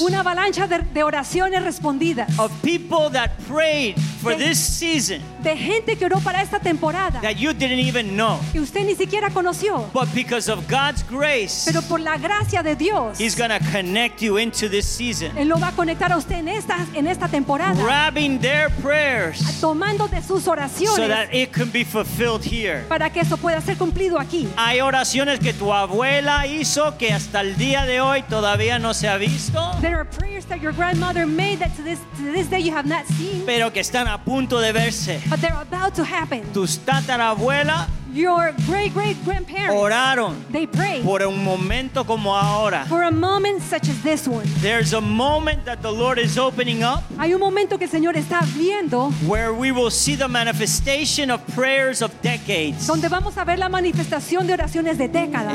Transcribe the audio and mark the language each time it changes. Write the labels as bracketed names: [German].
[Spanish] Una avalancha de oraciones respondidas. [English] Of people that prayed for this season. [Spanish] De gente que oró para esta temporada. [English] That you didn't even know. [Spanish] Que usted ni siquiera conoció. [English] But because of God's grace. [Spanish] Pero por la gracia de Dios. [English] He's going to connect you into this season. [Spanish] Él lo va a conectar a usted en esta temporada. [English] Grabbing their prayers. [Spanish] Tomando de sus oraciones. [English] So that it can be fulfilled here. [Spanish] Para que eso pueda ser cumplido aquí. Hay oraciones que tu abuela hizo que hasta el día de hoy todavía no se ha visto. [English] There are prayers that your grandmother made that to this day you have not seen. [Spanish] Pero que están a punto de verse. [English] But they're about to happen. [Spanish] Tus tatarabuela, [English] your great-great-grandparents, [Spanish] oraron. [English] They prayed [Spanish] por un momento como ahora. [English] For a moment such as this one. There's a moment that the Lord is opening up. [Spanish] Hay un momento que el Señor está abriendo. [English] Where we will see the manifestation of prayers of decades. [Spanish] Donde vamos a ver la manifestación de oraciones de décadas.